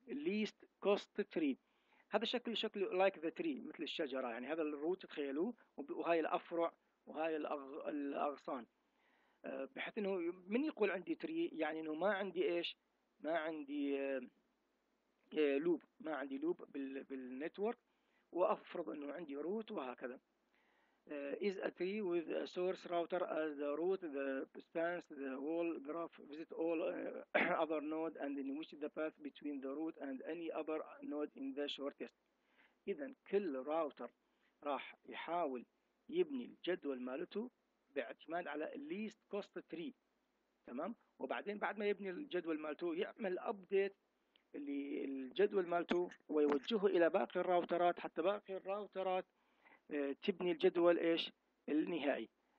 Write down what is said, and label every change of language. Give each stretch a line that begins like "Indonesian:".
Arabic: least cost tree هذا شكل
English: like the tree
Arabic: مثل الشجره، يعني هذا الروت تخيلوه وهاي الافرع وهاي الاغصان. بحيث انه من يقول عندي تري يعني انه ما عندي ايش؟ ما عندي لوب، ما عندي لوب بالنتورك. وافرض انه عندي روت وهكذا.
English: Is a tree with a source router as the root, the spans the whole graph, visit all other nodes and in which the path between the root and any other node in the shortest.
Arabic: إذا كل راوتر راح يحاول يبني الجدول مالته باعتماد على least cost tree، تمام؟ وبعدين بعد ما يبني الجدول مالته يعمل update للجدول مالته ويوجهه إلى باقي الراوترات حتى باقي الراوترات تبني الجدول ايش؟ النهائي.